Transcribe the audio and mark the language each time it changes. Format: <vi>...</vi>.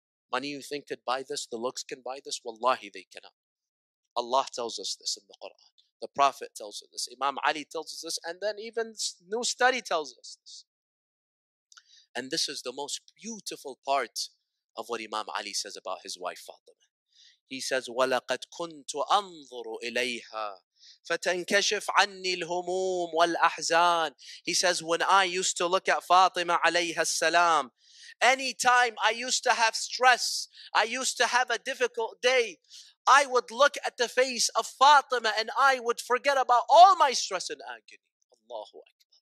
<en>Money, you think, could buy this? The looks can buy this? Wallahi, they cannot. Allah tells us this in the Quran. The Prophet tells us this. Imam Ali tells us this. And then even new study tells us this. And this is the most beautiful part of what Imam Ali says about his wife, Fatima. He says,</en> <ar>وَلَقَدْ كُنْتُ أَنظُرُ إِلَيْهَا فَتَنْكَشِفْ عَنِّي الْهُمُومُ وَالْأَحْزَانِ.</ar> <en>He says, when I used to look at Fatima alayha salam, anytime I used to have stress, I used to have a difficult day, I would look at the face of Fatima and I would forget about all my stress and agony. Allahu Akbar.</en>